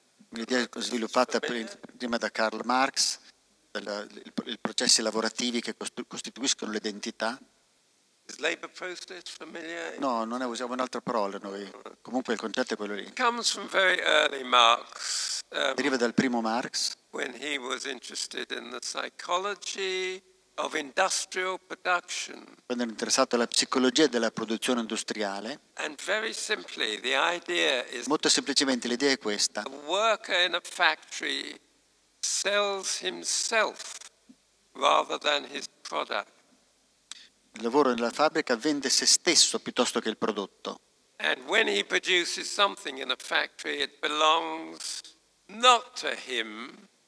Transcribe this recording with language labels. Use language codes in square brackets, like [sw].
[it] L'idea sviluppata prima da Karl Marx, i processi lavorativi che costituiscono l'identità. [en] Is labor process familiar? [it] No, non è, usiamo un'altra parola noi. Comunque il concetto è quello lì. [en] Comes from very early Marx. [it] Deriva dal primo Marx. [en] When he was interested in the psychology of industrial production. [it] Quando era interessato alla psicologia della produzione industriale. [en] And very simply, the idea is. [it] Molto semplicemente l'idea è questa. [en] A worker in a factory sells himself rather than his product. [it] Il lavoro nella fabbrica vende se stesso piuttosto che il prodotto. [en] And when he produces something in a factory, it belongs not to him,